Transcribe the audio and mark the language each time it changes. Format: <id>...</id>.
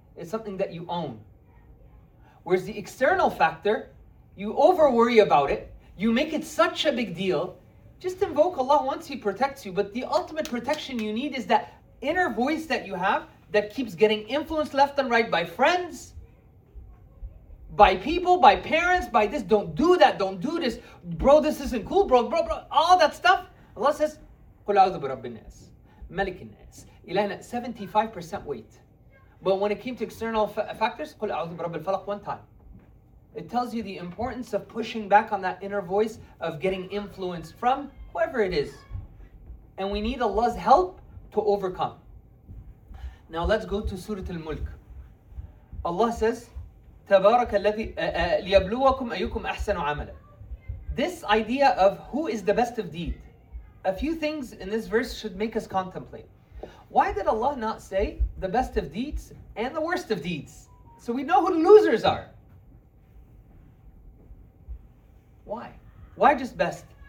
<en>It's something that you own. Whereas the external factor, you over worry about it, you make it such a big deal, just invoke Allah once He protects you. But the ultimate protection you need is that inner voice that you have that keeps getting influenced left and right by friends, by people, by parents, by this, don't do that, don't do this, bro, this isn't cool, bro, all that stuff. Allah says,</en> <ar>قُلْ أَعُوذُ بِرَبِّ النَّاسِ مَلِكِ النَّاسِ إِلَهِنَا</ar> <en>75% weight. But when it came to external factors,</en> <ar>قُلْ أَعُوذُ بِرَبِّ الْفَلَقِ</ar> <en>one time. It tells you the importance of pushing back on that inner voice of getting influenced from whoever it is. And we need Allah's help to overcome. Now let's go to Surah Al-Mulk. Allah says,</en> <ar>تَبَارَكَ الَّذِي لِيَبْلُوَكُمْ أَيُّكُمْ أَحْسَنُ عَمَلًا.</ar> <en>This idea of who is the best of deed. A few things in this verse should make us contemplate. Why did Allah not say the best of deeds and the worst of deeds? So we know who the losers are. Why? Why just best?</en>